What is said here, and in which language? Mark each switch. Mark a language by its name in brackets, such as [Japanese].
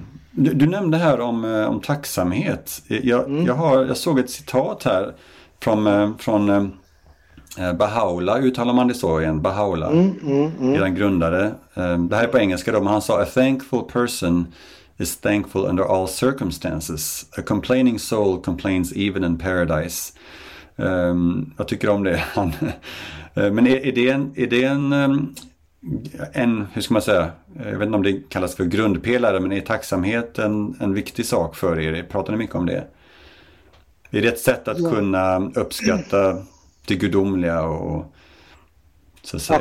[Swedish] Du nämnde här om tacksamhet. Jag såg ett citat här från Bahá'u'lláh, uttalar man det så igen? Bahá'u'lláh, eran grundare. Det här är på engelska då, men han sa [English] “A thankful person is thankful under all circumstances. A complaining soul complains even in paradise.” [Swedish] Jag tycker om det. Men är det en, hur ska man säga, jag vet inte om det kallas för grundpelare, men är tacksamhet en viktig sak för er? Pratar ni mycket om det? Är det ett sätt att kunna uppskatta det gudomliga och så att säga?